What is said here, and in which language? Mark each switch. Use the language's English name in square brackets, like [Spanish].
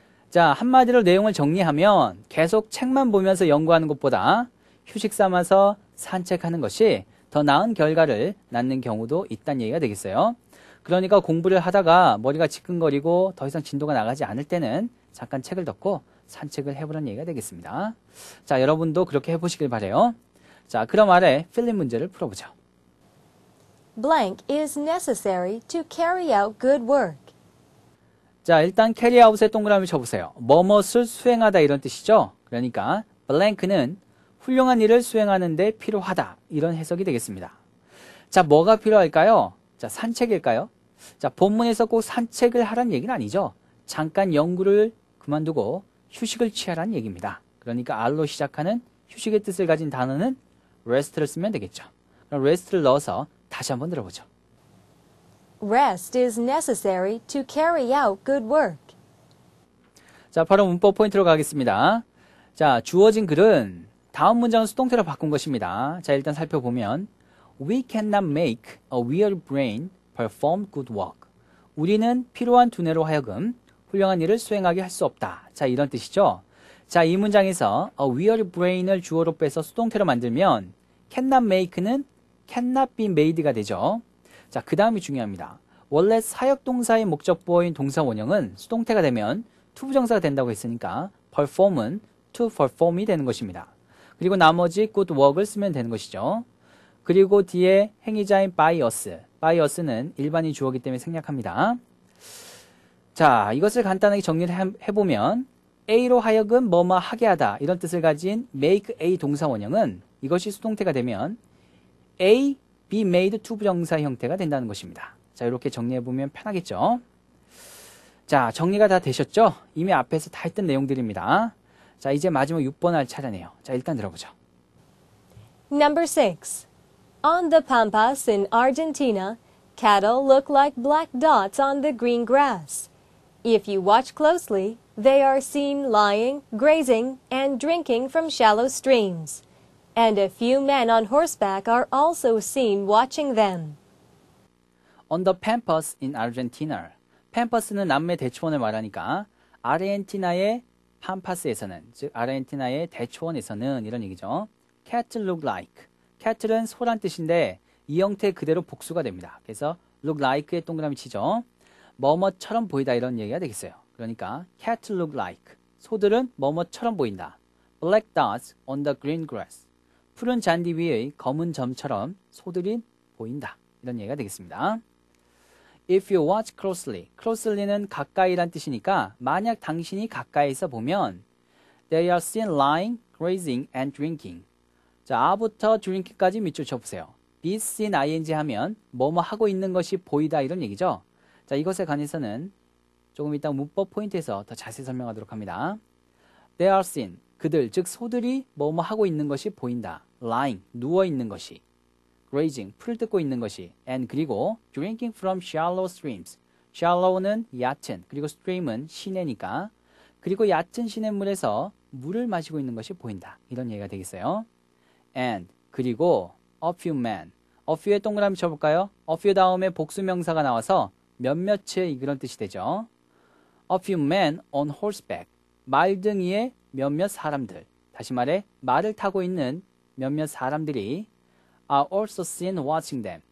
[Korean] 자, 한마디로 내용을 정리하면 계속 책만 보면서 연구하는 것보다 휴식 삼아서 산책하는 것이 더 나은 결과를 낳는 경우도 있다는 얘기가 되겠어요. 그러니까 공부를 하다가 머리가 지끈거리고 더 이상 진도가 나가지 않을 때는 잠깐 책을 덮고 산책을 해보라는 얘기가 되겠습니다. 자, 여러분도 그렇게 해보시길 바래요. 자, 그럼 아래 필립 문제를 풀어보죠. [English] Blank is necessary to carry out good work. [Korean] 자, 일단 carry out의 동그라미 쳐보세요. 뭐뭇을 수행하다 이런 뜻이죠. 그러니까 blank는 훌륭한 일을 수행하는 데 필요하다 이런 해석이 되겠습니다. 자, 뭐가 필요할까요? 자, 산책일까요? 자, 본문에서 꼭 산책을 하라는 얘기는 아니죠. 잠깐 연구를 그만두고 휴식을 취하라는 얘기입니다. 그러니까 R로 시작하는 휴식의 뜻을 가진 단어는 rest를 쓰면 되겠죠. 그럼 rest를 넣어서 다시 한번 들어보죠. [English] Rest is necessary to carry out good work. [Korean] 자, 바로 문법 포인트로 가겠습니다. 자, 주어진 글은 다음 문장을 수동태로 바꾼 것입니다. 자, 일단 살펴보면 [English] We cannot make a weird brain perform good work. [Korean] 우리는 필요한 두뇌로 하여금 훌륭한 일을 수행하게 할 수 없다. 자, 이런 뜻이죠. 자, 이 문장에서 a weird brain을 주어로 빼서 수동태로 만들면 cannot make는 cannot be made가 되죠. 자, 그 다음이 중요합니다. 원래 사역동사의 목적보어인 동사 원형은 수동태가 되면 to 부정사가 된다고 했으니까 perform은 to perform이 되는 것입니다. 그리고 나머지 good work을 쓰면 되는 것이죠. 그리고 뒤에 행위자인 by us. by us는 일반인 주어이기 때문에 생략합니다. 자, 이것을 간단하게 정리를 해보면 A로 하여금 뭐뭐 하게 하다 이런 뜻을 가진 make A 동사 원형은 이것이 수동태가 되면 A be made to 부정사 형태가 된다는 것입니다. 자, 이렇게 정리해보면 편하겠죠? 자, 정리가 다 되셨죠? 이미 앞에서 다 했던 내용들입니다. 자, 이제 마지막 6번 할 차례네요. 자, 일단 들어보죠. [English] Number 6. On the pampas in Argentina, cattle look like black dots on the green grass. If you watch closely, they are seen lying, grazing, and drinking from shallow streams. And a few men on horseback are also seen watching them. On the pampas in Argentina. [Korean] Pampas는 남미 대초원을 말하니까 아르헨티나의 pampas에서는, 즉 아르헨티나의 대초원에서는 이런 얘기죠. [English] Cattle look like. [Korean] Cattle은 소란 뜻인데 이 형태 그대로 복수가 됩니다. 그래서 look like의 동그라미 치죠. 뭐뭐처럼 보이다 이런 얘기가 되겠어요. [English] 그러니까 cattle look like. [Korean] 소들은 뭐뭐처럼 보인다. [English] Black dots on the green grass. [Korean] 푸른 잔디 위의 검은 점처럼 소들이 보인다. 이런 얘기가 되겠습니다. [English] If you watch closely. [Korean] Closely는 가까이란 뜻이니까 만약 당신이 가까이서 보면 [English] They are seen lying, grazing, and drinking. [Korean] 자, 아부터 drinking까지 밑줄 쳐보세요. Be seen ing 하면 뭐뭐 하고 있는 것이 보이다 이런 얘기죠. 자, 이것에 관해서는 조금 이따 문법 포인트에서 더 자세히 설명하도록 합니다. [English] They are seen. [Korean] 그들, 즉 소들이 뭐뭐 하고 있는 것이 보인다. lying, 누워 있는 것이. grazing, 풀 뜯고 있는 것이. [English] and [Korean] 그리고 [English] drinking from shallow streams. [Korean] shallow는 얕은, 그리고 stream은 시내니까. 그리고 얕은 시냇물에서 물을 마시고 있는 것이 보인다. 이런 얘기가 되겠어요. [English] and [Korean] 그리고 [English] a few men. [Korean] a few의 동그라미 쳐볼까요? a few 다음에 복수명사가 나와서 몇몇의 그런 뜻이 되죠. [English] A few men on horseback. [Korean] 말등이에 몇몇 사람들. 다시 말해 말을 타고 있는 몇몇 사람들이 [English] are also seen watching them.